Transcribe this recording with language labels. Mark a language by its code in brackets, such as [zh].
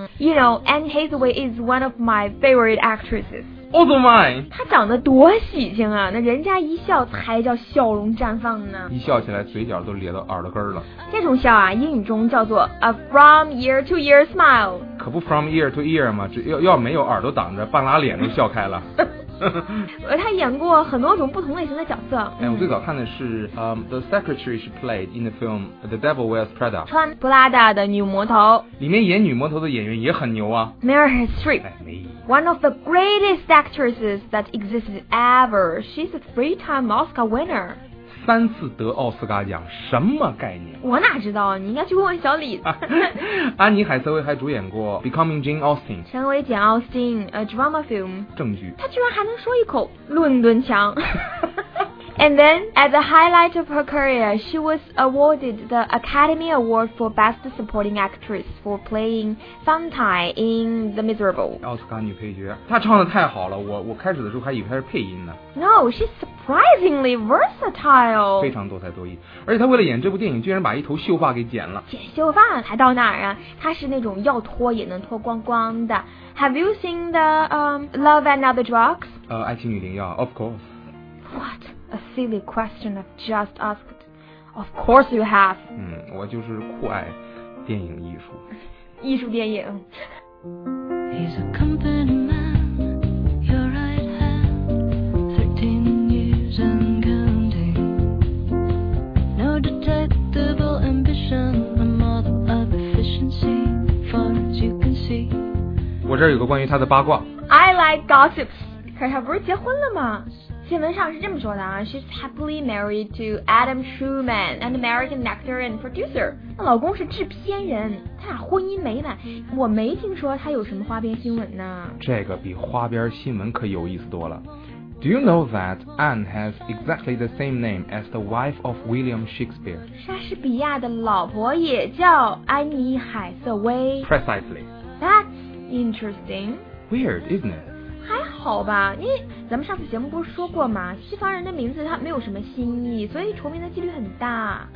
[en] You know, Anne Hathaway is one of my favorite actresses. Oh my! [zh] 她长得多喜庆啊！那人家一笑才叫笑容绽放呢。一笑起来，嘴角都咧到耳朵根了。这种笑啊，英语中叫做 [en] a from ear to ear smile。 [zh] 可不 [en] from ear to ear [zh] 吗？只要没有耳朵挡着，半拉脸都笑开了。他演过很多种不同类型的角色。哎，我最早看的是 [en] The Secretary she played in the film The Devil Wears Prada， [zh] 穿布拉达的女魔头。里面演女魔头的演员也很牛啊，Meryl Streep。哎，没。 [en] One of the greatest actresses that existed ever. She's a three-time Oscar winner. [zh] 三次得奥斯卡奖，什么概念？我哪知道？你应该去问问小李。安妮海瑟薇还主演过《Becoming Jane Austen》，成为简·奥斯汀 ， [en] a drama film。 [zh] 证据。她居然还能说一口伦敦腔。 [en] And then, at the highlight of her career, she was awarded the Academy Award for Best Supporting Actress for playing Fang Tai in The Miserable. [zh] 奥斯卡女配角，她唱得太好了，我开始的时候还以为她是配音呢。 [en] No, she's surprisingly versatile. [zh] 非常多才多艺，而且她为了演这部电影，居然把一头秀发给剪了。剪秀发还到哪儿啊？她是那种要脱也能脱光光的。 [en] Have you seen the Love and Other Drugs? [zh] 爱情与灵药 ， [en] of course. What? A silly question I've just asked. Of course you have. [zh] 我就是酷爱电影艺术。艺术电影。 [en] He's a company man, your right hand, 13 years and counting. No detectable ambition, a model of efficiency, far as you can see. [zh] 我这儿有个关于他的八卦。 [en] I like gossips. [zh] 可是他不是结婚了吗？新闻上是这么说的啊 [en] ，She's happily married to Adam Schumann, an American actor and producer. [zh] 那老公是制片人，他俩婚姻美满。我没听说他有什么花边新闻呢。这个比花边新闻可有意思多了。 [en] Do you know that Anne has exactly the same name as the wife of William Shakespeare? [zh] 莎士比亚的老婆也叫安妮·海瑟薇。 [en] Precisely. That's interesting. Weird, isn't it? [zh] 还好吧，因为咱们上次节目不是说过吗？西方人的名字它没有什么新意，所以重名的几率很大。